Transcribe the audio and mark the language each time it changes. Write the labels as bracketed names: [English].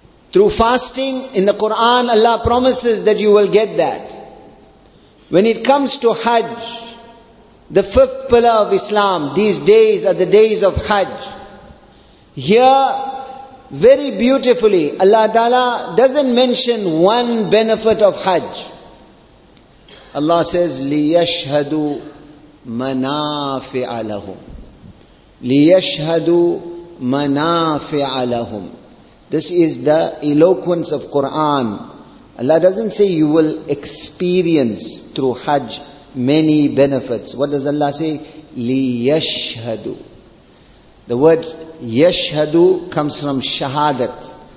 [English] Through fasting, in the Quran, Allah promises that you will get that. When it comes to Hajj, the fifth pillar of Islam, these days are the days of Hajj. Here, very beautifully, Allah Ta'ala doesn't mention one benefit of Hajj. [Arabic] Allah says, لِيَشْهَدُوا مَنَافِعَ لَهُمْ لِيَشْهَدُوا مَنَافِعَ لَهُمْ. [English] This is the eloquence of Quran. Allah doesn't say you will experience through Hajj many benefits. What does Allah say? لِيَشْهَدُوا. The word yashhadu comes from shahadat.